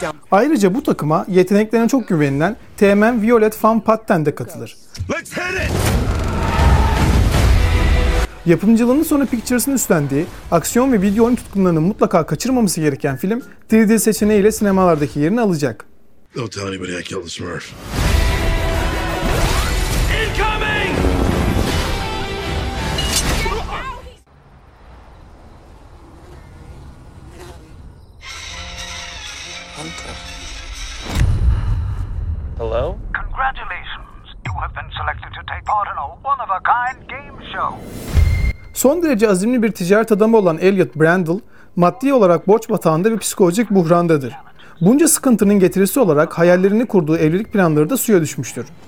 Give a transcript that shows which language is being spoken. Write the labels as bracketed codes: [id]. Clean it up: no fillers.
[tr] Ayrıca bu takıma yeteneklerine çok güvenilen Teğmen Violet Van Patten de katılır. Yapımcılığının Sony Pictures'ın üstlendiği, aksiyon ve video oyun tutkunlarının mutlaka kaçırmaması gereken film, 3D seçeneğiyle sinemalardaki yerini alacak. [en] Don't tell anybody I killed the Smurf. Incoming! Hunter. Hello? Congratulations! You have been selected to take part in a one-of-a-kind game show. [tr] Son derece azimli bir ticaret adamı olan Elliot Brandel, maddi olarak borç batağında ve psikolojik buhrandadır. Bunca sıkıntının getirisi olarak hayallerini kurduğu evlilik planları da suya düşmüştür.